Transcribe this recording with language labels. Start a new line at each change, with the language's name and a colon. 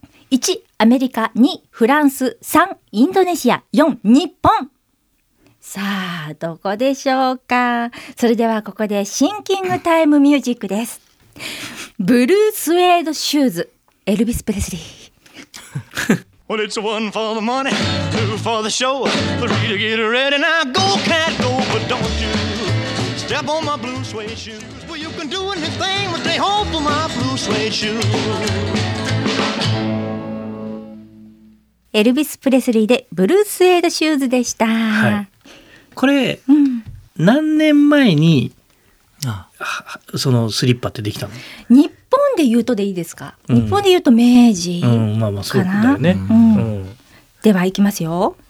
Japanese: 1アメリカ、2フランス、3インドネシア、4日本。さあどこでしょうか。それではここでシンキングタイムミュージックです。ブルースウェードシューズ、エルビス・プレスリー。
English: Well, it's one for the money, two for the show, three to get ready now, go cat go, but don't you step on my blue suede shoesYou can do anything with a hole for my blue suede shoes.
Japanese: エルビス・プレスリーでブルース・エイド・シューズでした、はい、これ、うん、何年前にそのスリッパってできたの？日本で言うとでいいですか、うん、日本で言うと明治かな、うん、まあまあそうだよね、うんうん、ではいきますよ。